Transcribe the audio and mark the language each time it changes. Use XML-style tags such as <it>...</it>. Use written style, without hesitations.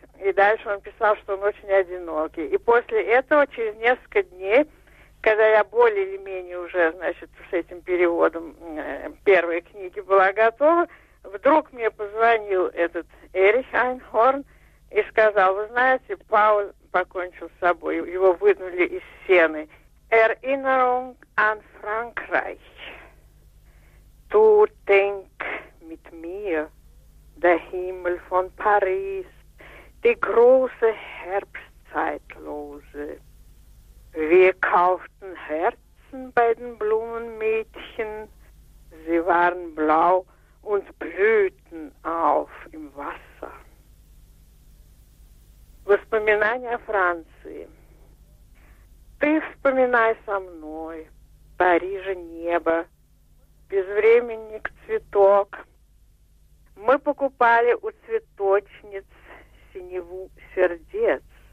<ru>И дальше он писал, что он очень одинокий. И после этого, через несколько дней, когда я более или менее уже, значит, с этим переводом первой книги была готова, вдруг мне позвонил этот Эрих Айнхорн и сказал: вы знаете, Пауль покончил с собой, его выгнали из Сены.</ru> <de>Erinnerung an Frankreich. Du denk mit mir, der Himmel von Paris. Die große Herbstzeitlose. Wir kauften Herzen bei den Blumenmädchen. Sie waren blau und blühten auf im Wasser.</de> <ru>Воспоминания о Франции. Ты вспоминай со мной Парижа небо, безвременник цветок. Мы покупали у цветочниц синеву сердец.</ru>